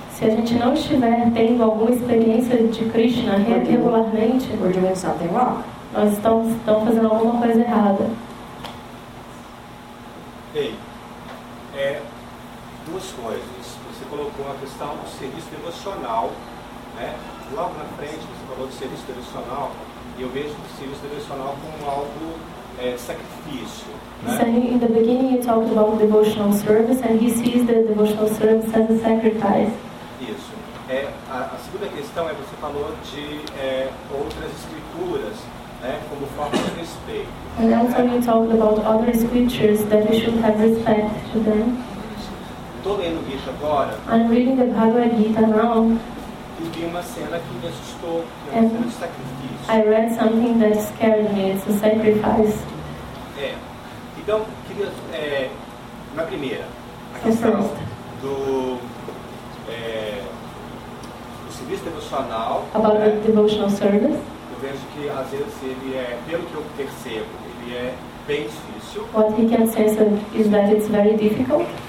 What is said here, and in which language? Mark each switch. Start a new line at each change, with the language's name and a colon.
Portuguese: se a gente não estiver tendo alguma experiência de Krishna regularmente,
English: we're doing something wrong.
Portuguese: Nós estamos fazendo alguma coisa errada. Ei, duas coisas. Você colocou uma questão do serviço devocional, né? Logo na frente você falou do serviço devocional, e eu vejo o serviço devocional como algo sacrifício.
English: So in the beginning you talked about devotional service and he sees the devotional service as a sacrifice.
Portuguese: Isso. A segunda questão é você falou de outras escrituras, né, como forma de respeito.
English: And also you talked about other scriptures that we should have respect to them.
Portuguese: Estou lendo isso agora.
English: I'm reading the Bhagavad Gita now.
Portuguese: E vi uma cena que me assustou, que é uma cena de sacrifício.
English: I read something that scared me. It's a sacrifice.
Portuguese: Então, queria, na primeira, a questão do, do serviço devocional.
English: About the devotional service.
Portuguese: Eu vejo que, às vezes, ele é, pelo que eu percebo, ele é bem difícil.
English: What he can sense is that it's very difficult.